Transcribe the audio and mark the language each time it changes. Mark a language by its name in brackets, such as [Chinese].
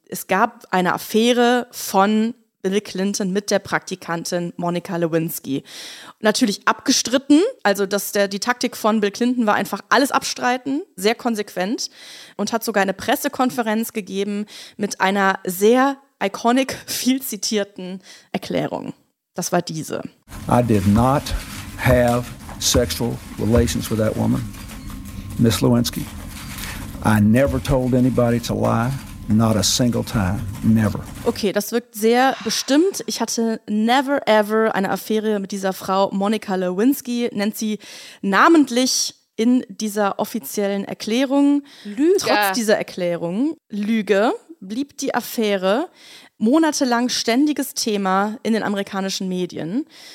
[German] Es gab eine Affäre von Bill Clinton mit der Praktikantin Monica Lewinsky. Natürlich abgestritten, also dass die Taktik von Bill Clinton war einfach alles abstreiten, sehr konsequent, und hat sogar eine Pressekonferenz gegeben mit einer sehr iconic, viel zitierten Erklärung. Das war diese. [English] I did not have sexual relations with that woman, Miss Lewinsky. I never told anybody to lie. Not a single time. Never. [German] Okay, das wirkt sehr bestimmt. Ich hatte [English] never ever [German] eine Affäre mit dieser Frau. Monica Lewinsky nennt sie namentlich in dieser offiziellen Erklärung. Lüge. Trotz dieser Erklärung, Lüge, blieb die Affäre monatelang ständiges Thema in den amerikanischen Medien.